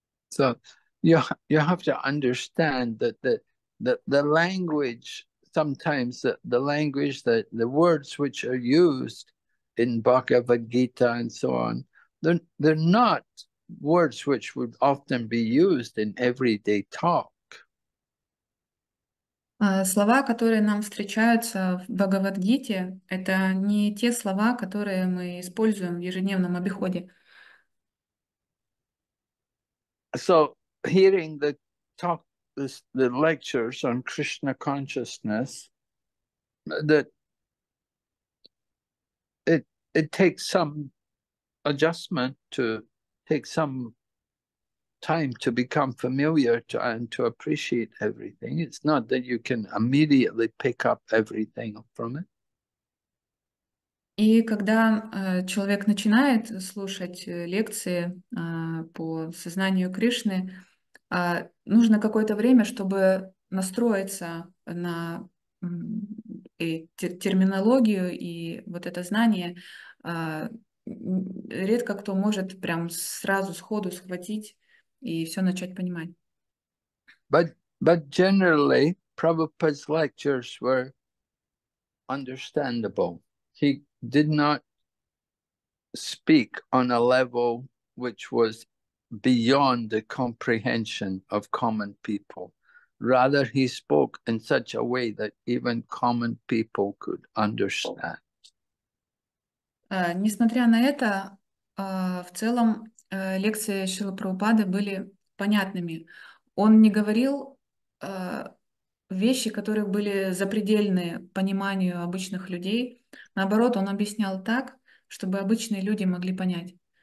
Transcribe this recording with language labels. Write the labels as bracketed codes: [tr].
[en] So you have to understand that the language, sometimes the language, the words which are used in Bhagavad Gita and so on, they're not words which would often be used in everyday talk. [ru] Слова, которые нам встречаются в Бхагавадгите, это не те слова, которые мы используем в ежедневном обиходе. [en] So, hearing the talk, the lectures on Krishna consciousness, that it takes some adjustment to take some time to become familiar to and to appreciate everything. It's not that you can immediately pick up everything from it. [ru] И когда человек начинает слушать лекции по сознанию Кришны, нужно какое-то время, чтобы настроиться на терминологию и вот это знание. Редко кто может прям сразу сходу схватить и все начать понимать. [en] But generally, Prabhupada's lectures were understandable. He did not speak on a level which was beyond the comprehension of common people. Rather, he spoke in such a way that even common people could understand. [ru] Несмотря на это, в целом лекции Шрилы Прабхупады были понятными. Он не говорил вещи, которые были запредельны пониманию обычных людей. Наоборот, он объяснял так, чтобы обычные люди могли понять.